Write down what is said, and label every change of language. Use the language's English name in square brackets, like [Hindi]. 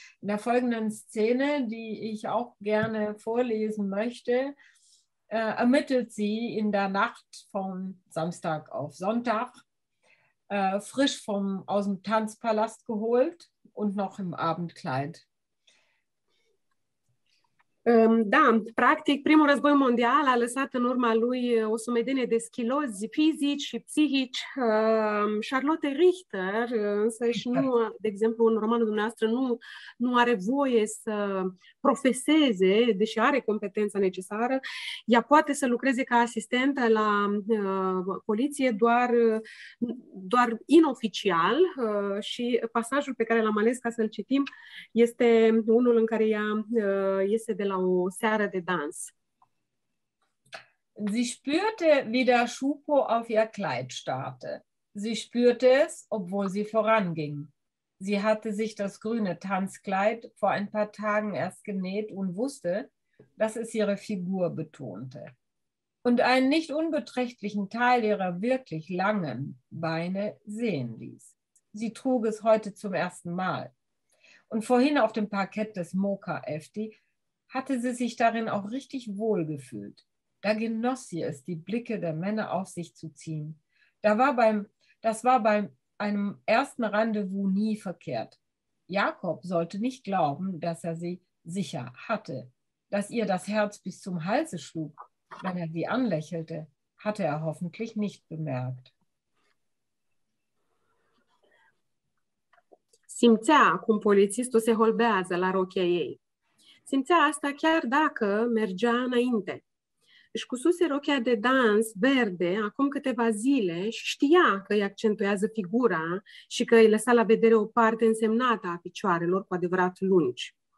[German] In der folgenden Szene, die ich auch gerne vorlesen möchte, ermittelt sie in der Nacht von Samstag auf Sonntag, frisch aus dem Tanzpalast geholt und noch im Abendkleid. [Romanian] Da, practic, primul război mondial a lăsat în urma lui o sumedenie de schilozi fizici și psihici. Charlotte Richter, însă și nu, de exemplu, în romanul dumneavoastră, nu are voie să profeseze, deși are competența necesară. Ea poate să lucreze ca asistentă la poliție doar inoficial și pasajul pe care l-am ales ca să-l citim este unul în care ea iese de la [German] Sie spürte, wie der Schupo auf ihr Kleid starrte. Sie spürte es, obwohl sie voranging. Sie hatte sich das grüne Tanzkleid vor ein paar Tagen erst genäht und wusste, dass es ihre Figur betonte. Und einen nicht unbeträchtlichen Teil ihrer wirklich langen Beine sehen ließ. Sie trug es heute zum ersten Mal. Und vorhin auf dem Parkett des Mocha Efti hatte sie sich darin auch richtig wohl gefühlt. Da genoss sie es, die Blicke der Männer auf sich zu ziehen. Das war beim einem ersten Rendezvous nie verkehrt. Jakob sollte nicht glauben, dass er sie sicher hatte, dass ihr das Herz bis zum Halse schlug. Wenn er sie anlächelte, hatte er hoffentlich nicht bemerkt. [Romanian] Simțea, cum polițistul se holbează la rochia ei. Simțea asta chiar dacă mergea înainte. Își cususe rochia de dans verde acum câteva zile și știa că îi accentuează figura și că îi lăsa la vedere o parte însemnată a picioarelor cu adevărat lungi.